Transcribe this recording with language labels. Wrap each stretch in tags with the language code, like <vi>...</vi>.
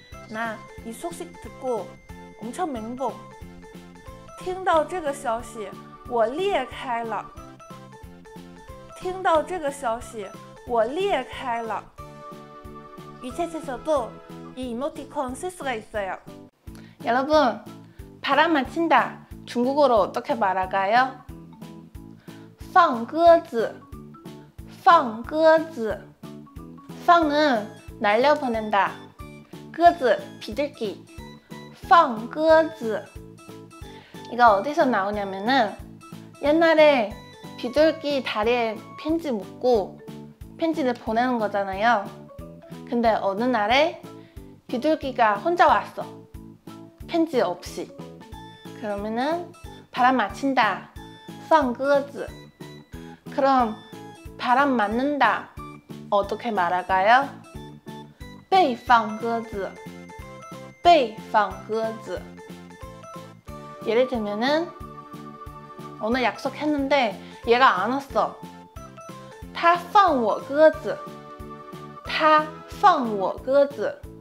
<ko>나 이 소식 듣고 엄청 멘붕.</ko> <zh>听到这个消息,我裂开了.听到这个消息,我裂开了.</zh> <ko>유채채에서도 이 이모티콘 쓸 수가 있어요. 여러분, 바람 맞힌다. 중국어로 어떻게 말할까요?</ko> <zh>放鸽子, 放鸽子.</zh> <ko>放은 날려보낸다. 鸽子, 비둘기.</ko> <zh>放鸽子.</zh> <ko>이거 어디서 나오냐면은 옛날에 비둘기 다리에 편지 묶고 편지를 보내는 거잖아요. 근데 어느 날에 비둘기가 혼자 왔어. 편지 없이. 그러면은 바람 맞힌다. 放鸽子. 그럼 바람 맞는다 어떻게 말할까요?</ko> <zh>被放鸽子, 被放鸽子.</zh> <ko>예를 들면은 오늘 약속했는데 얘가 안 왔어.</ko> <zh>他放我鸽子, 他放我鸽子.</zh>